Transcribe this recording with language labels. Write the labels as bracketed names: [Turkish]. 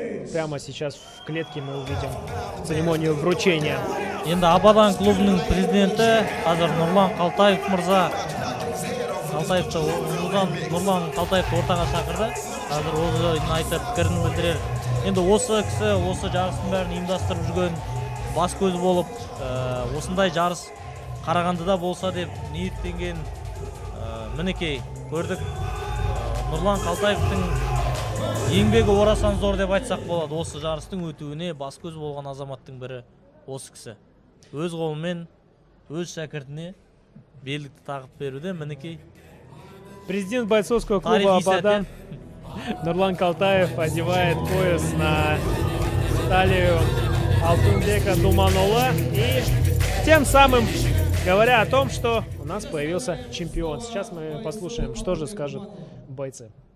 [Russian] Прямо сейчас в клетке мы увидим церемонию вручения. [Kazakh] Енді Абадан клубының президенті қазір Нұрлан Қалтаев мырза. Нұрлан Қалтаев ортаға шақырды. Қазір өзінің айтып пікірін білдірер. Енді осы кісі осы жарыстың бәрін ұйымдастырып жүрген бас көз болып, осындай жарыс Қарағандыда болса деп ниеттенген. Мінекей, көрдік. Нұрлан Қалтаевтың еңбегі орасан зор деп айтсақ болады. Осы жарыстың өтуіне бас көз болған азаматтың бірі осы кісі. Өз қолымен өз шәкіртіне белдікті тағып беруде. Мінекей, [Russian] президент бойцовского клуба Абадан Нұрлан Қалтаев одевает пояс на талию Алтынбека Думанұлы и тем самым говоря о том, что у нас появился чемпион. Сейчас мы послушаем, что же скажут бойцы.